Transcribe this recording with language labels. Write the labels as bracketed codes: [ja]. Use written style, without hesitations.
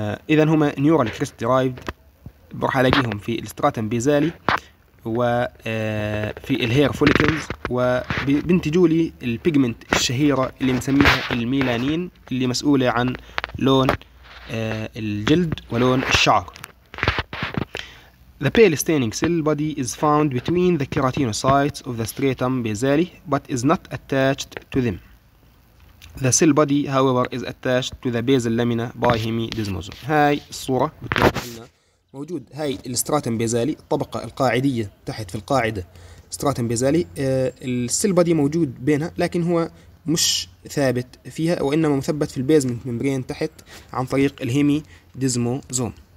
[ar] اذا هما نيورال كريست ديرايفد، راح الاقيهم في الستراتم بيزالي وفي الهير فوليكلز، وبينتجوا لي البيجمنت الشهيره اللي نسميها الميلانين اللي مسؤوله عن لون الجلد ولون الشعر. [en] The pale staining cell body is found between the keratinocytes of the stratum basale but is not attached to them. The cell body however is attached to the basal lamina by hemidesmosome. [ar] هاي الصورة بتوضح لنا موجود هاي الستراتم بيزالي، الطبقة القاعدية تحت في القاعدة ستراتم بيزالي، السيل بادي موجود بينها لكن هو مش ثابت فيها وإنما مثبت في البيزمنت ممبرين تحت عن طريق الهيميديزموزوم.